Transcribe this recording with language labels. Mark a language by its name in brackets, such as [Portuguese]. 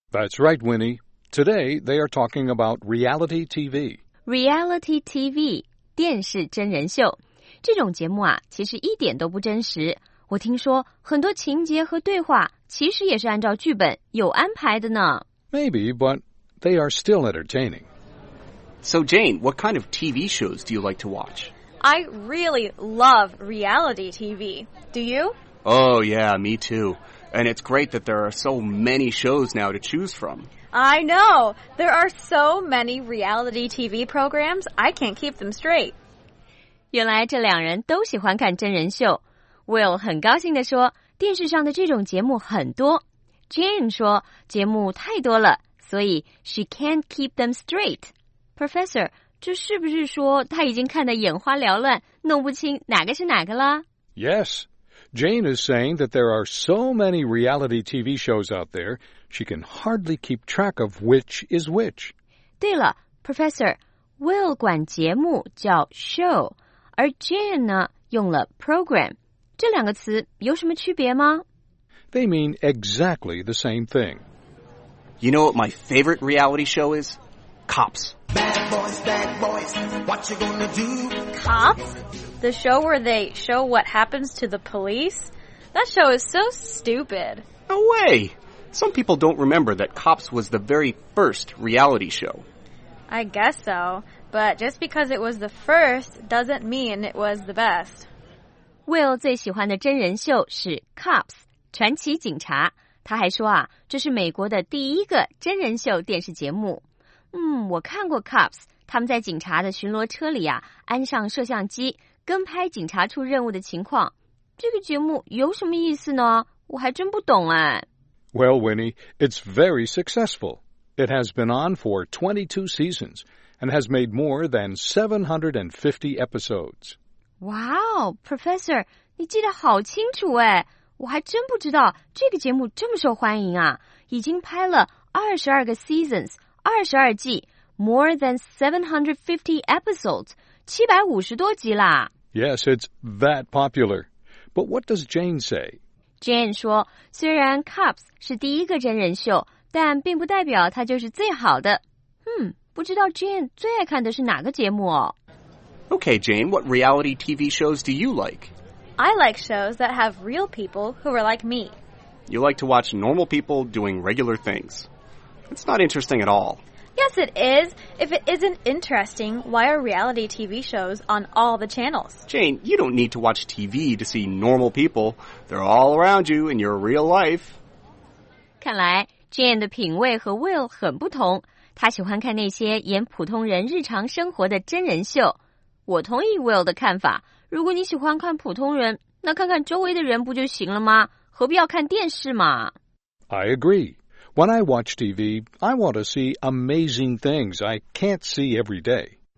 [English] That's right, Winnie. Today, they are talking about reality TV. [Chinese] Reality TV, 电视真人秀。这种节目啊，其实一点都不真实。我听说很多情节和对话其实也是按照剧本有安排的呢。 [English] Maybe, but they are still entertaining. So, Jane, what kind of TV shows do you like to watch? I really love reality TV. Do you? Oh, yeah, me too. And it's great that there are so many shows now to choose from. I know! There are so many reality TV programs, I can't keep them straight. [Chinese] 原来这两人都喜欢看真人秀。 Will 很高兴地说，电视上的这种节目很多。 Jane 说，节目太多了，所以 [English] she can't keep them straight. [Chinese] Professor, 这是不是说他已经看得眼花缭乱，弄不清哪个是哪个了？ [English] Yes. Jane is saying that there are so many reality TV shows out there, she can hardly keep track of which is which. [Chinese] 对了 ,Professor, Will 管节目叫 show, 而 Jane 呢用了 program. 这两个词有什么区别吗？ [English] They mean exactly the same thing. You know what my favorite reality show is? Cops. Bad boys, what you gonna do? Cops? The show where they show what happens to the police? That show is so stupid. No way! Some people don't remember that Cops was the very first reality show. I guess so, but just because it was the first doesn't mean it was the best. [Chinese] Will 最喜欢的真人秀是 Cops, 传奇警察。他还说啊，这是美国的第一个真人秀电视节目。我看过 Cops, 他们在警察的巡逻车里啊，安上摄像机。跟拍警察出任务的情况，这个节目有什么意思呢？我还真不懂哎。 [English] Well, Winnie, it's very successful. It has been on for 22 seasons and has made more than 750 episodes. [Chinese] Wow, Professor, 你记得好清楚哎！我还真不知道这个节目这么受欢迎啊！已经拍了22个 seasons, 22季 , [English] more than 750 episodes. [Chinese] 750多集啦。 [English] Yes, it's that popular. But what does Jane say? [Chinese] Jane 说，虽然 Cops 是第一个真人秀，但并不代表它就是最好的。不知道 Jane 最爱看的是哪个节目哦。 [English] Okay, Jane, what reality TV shows do you like? I like shows that have real people who are like me. You like to watch normal people doing regular things. It's not interesting at all. Yes, it is. If it isn't interesting, why are reality TV shows on all the channels? Jane, you don't need to watch TV to see normal people. They're all around you in your real life. [Chinese] 看来 Jane 的品味和 Will 很不同。她喜欢看那些演普通人日常生活的真人秀。我同意 Will 的看法，如果你喜欢看普通人，那看看周围的人不就行了吗？何必要看电视嘛？ [English] I agree. When I watch TV, I want to see amazing things I can't see every day.